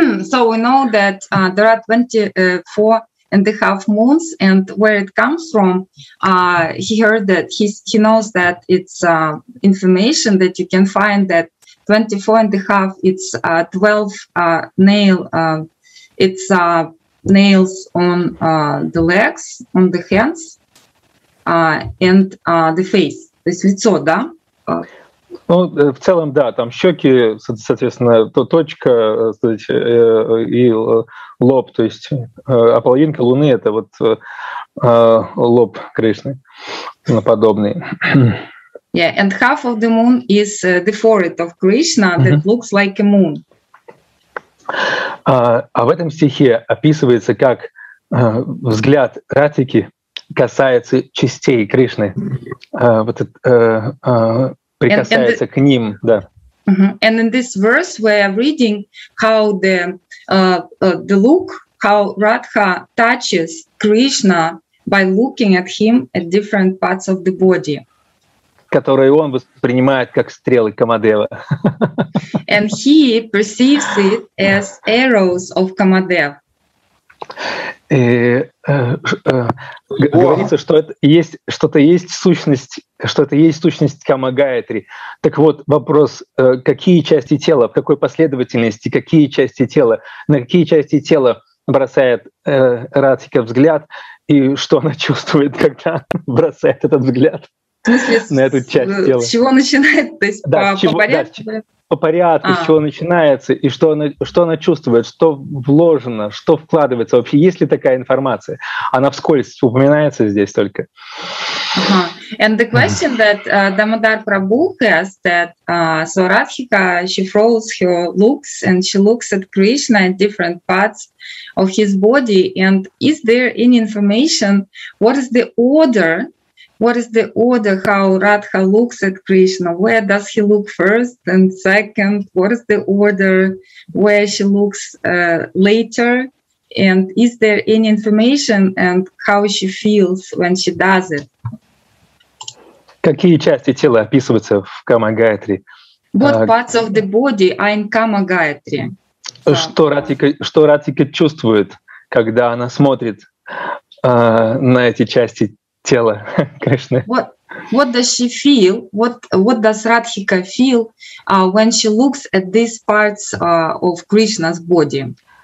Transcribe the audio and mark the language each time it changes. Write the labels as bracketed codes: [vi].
[en] So we know that there are 24 and a half moons, and where it comes from, he heard that, he knows that it's information that you can find that 24 and a half, it's 12 nails on the legs, on the hands, and the face, [ru] то есть лицо, да? Ну, в целом, да, там щеки, соответственно, то точка, и лоб, то есть, а половинка луны — это вот лоб Кришны, наподобный. [en] Yeah, and half of the moon is the forehead of Krishna that looks like a moon. [ru] А в этом стихе описывается, как взгляд Радхики касается частей Кришны. Прикасается к ним, да. [en] And in this verse we are reading how the the look how Radha touches Krishna by looking at him at different parts of the body. [ru] Которые он воспринимает как стрелы Камадева. [en] And he perceives it as arrows of Камадев. [ru] И говорится, что это есть, что-то есть сущность, что это есть сущность Камагаятри. Так вот, вопрос, какие части тела, в какой последовательности, какие части тела, на какие части тела бросает Радхика взгляд, и что она чувствует, когда бросает этот взгляд на эту часть тела. С чего начинает, то есть да, по порядку, с чего начинается, и что она чувствует, что вложено, что вкладывается вообще, есть ли такая информация? Она вскользь упоминается здесь только. Uh-huh. [en] And the question that Damodar Prabhu has, that so Radhika, she throws her looks, and she looks at Krishna at different parts of his body, and is there any information, what is the order how Radha looks at Krishna? Where does he look first and second? What is the order where she looks later? And is there any information and how she feels when she does it? [ru] Какие части тела описываются в Камагаятри? [en] What parts of the body are in Камагаятри? [ru] Что Радхика чувствует, когда она смотрит на эти части тела Кришны? [en] What does she feel? What does Radhika feel when she looks at these parts of Krishna's body?